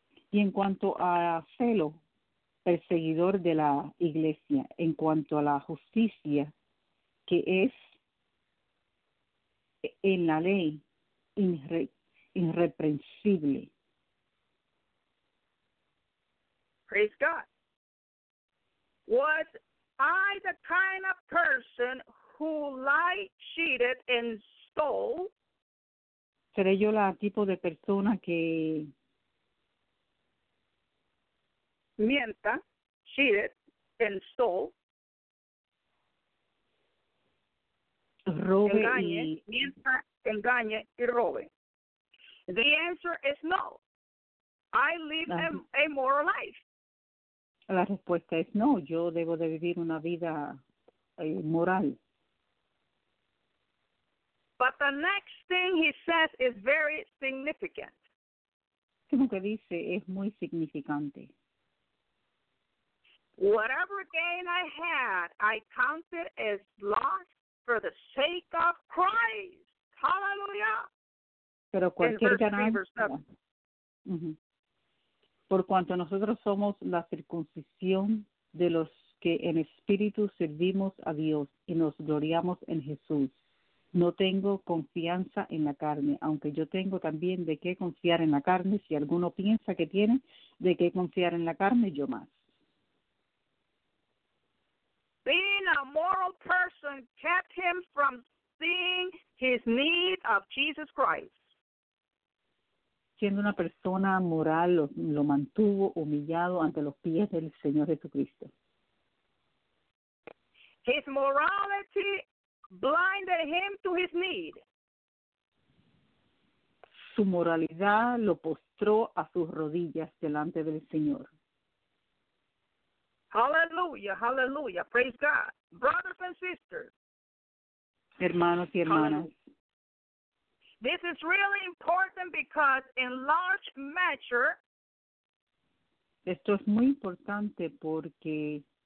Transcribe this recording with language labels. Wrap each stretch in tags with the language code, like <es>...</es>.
<es>Y en cuanto a celo, perseguidor de la iglesia, en cuanto a la justicia, que es en la ley irreprensible.</es> <en>Praise God. Was I the kind of person who lied, cheated, and stole?</en> <es>¿Seré yo la tipo de persona que mienta,</es> <en>cheated, and stole?</en> <es>Robe, engañe, y mienta, engañe y robe.</es> <en>The answer is no. I live a moral life.</en> <es>La respuesta es no. Yo debo de vivir una vida moral.</es> <en>But the next thing he says is very significant.</en> <es>Lo que dice es muy significante.</es> <en>Whatever gain I had, I counted as loss for the sake of Christ. Hallelujah.</en> <es>Pero cualquier ganancia, por cuanto nosotros somos la circuncisión de los que en espíritu servimos a Dios y nos gloriamos en Jesús, no tengo confianza en la carne, aunque yo tengo también de qué confiar en la carne. Si alguno piensa que tiene de qué confiar en la carne, yo más.</es> <en>Being a moral person kept him from seeing his need of Jesus Christ.</en> <es>Siendo una persona moral, lo mantuvo humillado ante los pies del Señor Jesucristo.</es> <en>His morality blinded him to his need.</en> <es>Su moralidad lo postró a sus rodillas delante del Señor.</es> <en>Hallelujah, hallelujah, praise God. Brothers and sisters.</en> <es>Hermanos y hermanas.</es> <en>Hallelujah. This is really important because in large measure,</en> <es>esto es muy importante porque</es>